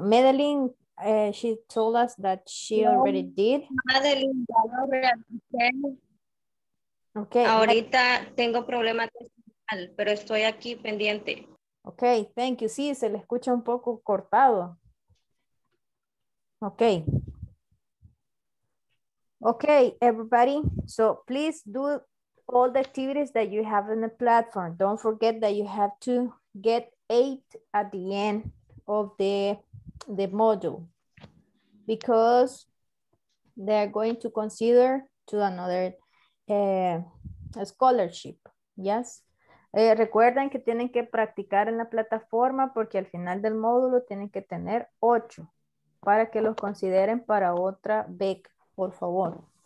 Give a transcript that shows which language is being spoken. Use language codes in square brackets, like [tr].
[en] Madeline, she told us that she already did. Madeline, okay. [es] Ahorita tengo problema digital, pero estoy aquí pendiente. [en] Okay, thank you. [es] Sí, se le escucha un poco cortado. Okay. [en] Okay, everybody. So please do all the activities that you have in the platform. Don't forget that you have to get 8 at the end of the module, because they're going to consider to another scholarship. Yes. [es] Recuerden que tienen que practicar en la plataforma porque al final del módulo tienen que tener 8 para que los consideren para otra beca, por favor.